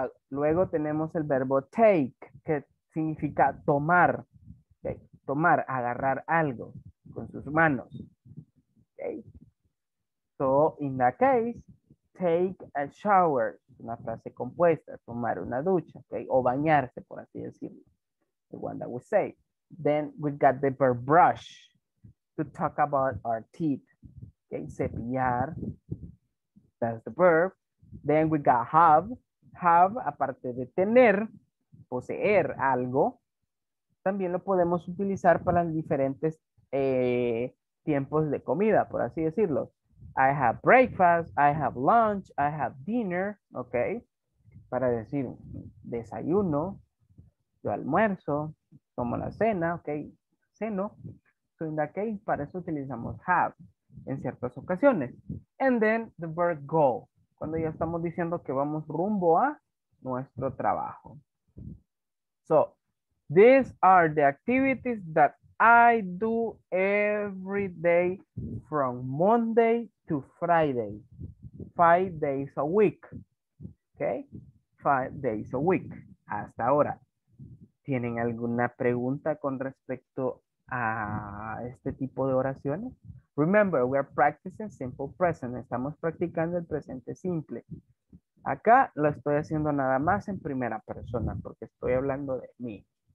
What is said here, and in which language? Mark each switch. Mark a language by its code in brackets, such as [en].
[es] Luego tenemos el verbo take, que significa tomar. Okay. Tomar, agarrar algo con sus manos. Okay. [en] So, in that case, take a shower. [es] Una frase compuesta, tomar una ducha, okay, o bañarse, por así decirlo. [en] The one that we say. Then we got the verb brush to talk about our teeth. Okay, cepillar. That's the verb. Then we got have. [es] Have, aparte de tener, poseer algo, también lo podemos utilizar para diferentes tiempos de comida, por así decirlo. [en] I have breakfast, I have lunch, I have dinner, ok, [es] para decir desayuno, yo almuerzo, tomo la cena, ok, ceno. [en] So in that case, [es] para eso utilizamos have en ciertas ocasiones. [en] And then the verb go, [es] cuando ya estamos diciendo que vamos rumbo a nuestro trabajo. [en] So these are the activities that I do every day from Monday to Friday, 5 days a week, okay? 5 days a week, [es] hasta ahora. ¿Tienen alguna pregunta con respecto a este tipo de oraciones? [en] Remember, we are practicing simple present. [es] Estamos practicando el presente simple. Acá lo estoy haciendo nada más en primera persona porque estoy hablando de mí.